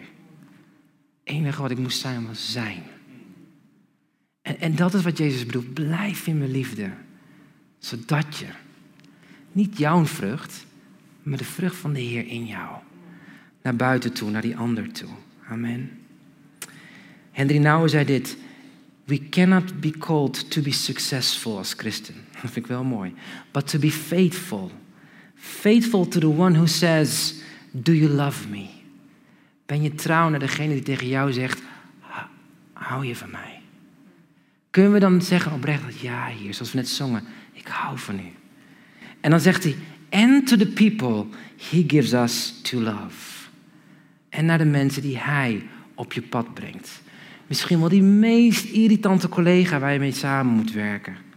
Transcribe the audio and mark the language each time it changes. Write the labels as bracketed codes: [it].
[nl] Het enige wat ik moest zijn, was zijn. En dat is wat Jezus bedoelt. Blijf in mijn liefde. Zodat je niet jouw vrucht, maar de vrucht van de Heer in jou. Naar buiten toe, naar die ander toe. Amen. Henry Nouwen zei dit. [en] We cannot be called to be successful as Christian. [nl] Dat vind ik wel mooi. [en] But to be faithful. Faithful to the one who says, do you love me? [nl] Ben je trouw naar degene die tegen jou zegt, hou je van mij? Kunnen we dan zeggen oprecht, ja hier, zoals we net zongen, ik hou van u. En dan zegt hij, [en] and to the people he gives us to love. [nl] En naar de mensen die hij op je pad brengt. Misschien wel die meest irritante collega waar je mee samen moet werken.